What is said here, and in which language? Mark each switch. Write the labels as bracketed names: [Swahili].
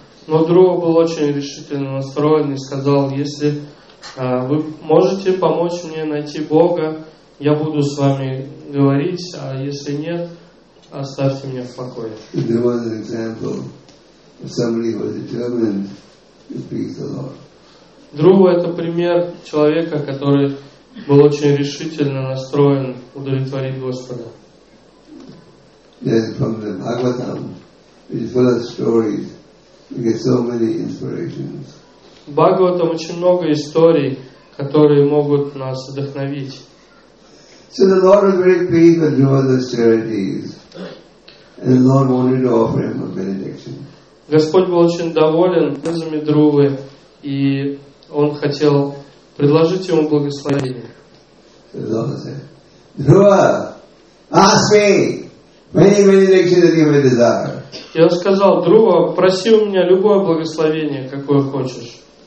[Russian] Но Друва был очень решительно настроен и сказал, если вы можете помочь мне найти Бога, я буду с вами говорить, а если нет, оставьте меня в покое. Друва — это пример человека, который был очень решительно настроен удовлетворить Господа. [English] Yes, from the Bhagavatam, which is full of stories, you get so many inspirations. [Russian] В Бхагаватам очень много историй, которые могут нас вдохновить. [English] So the Lord was very pleased with Druva's austerities, and the Lord wanted to offer him a benediction. [Russian] Господь был очень доволен призами Друвы, и он хотел предложить ему благословение. И он сказал, Друва, проси у меня любое благословение, какое хочешь.